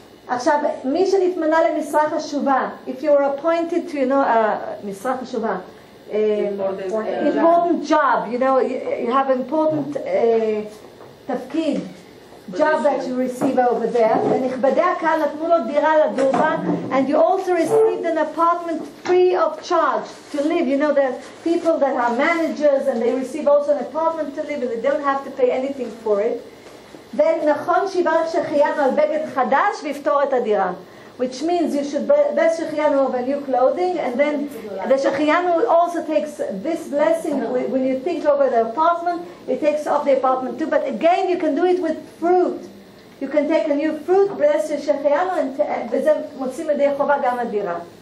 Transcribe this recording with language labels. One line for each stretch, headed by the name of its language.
Hebrew: עכשיו, מי שנתמנה למשרה חשובה,
English: if you were appointed to, you know,
Hebrew: משרה חשובה,
English: important job, you know, you have important תפקיד, job that you receive over there,
Hebrew: ונכבדי הקהל נתנו לו דירה לגור בה,
English: and you also received an apartment free of charge to live. You know, the people that are managers and they receive also an apartment to live and they don't have to pay anything for it.
Hebrew: Then, נכון שיברך שחיינו על בגד חדש ויפתור את הדירה.
English: Which means you should bless Shehechiyanu over new clothing, and then the Shehechiyanu also takes this blessing when you think over the apartment, it takes off the apartment too. But again, you can do it with fruit. You can take a new fruit, bless your Shehechiyanu, and then motzim edei chova gam adira.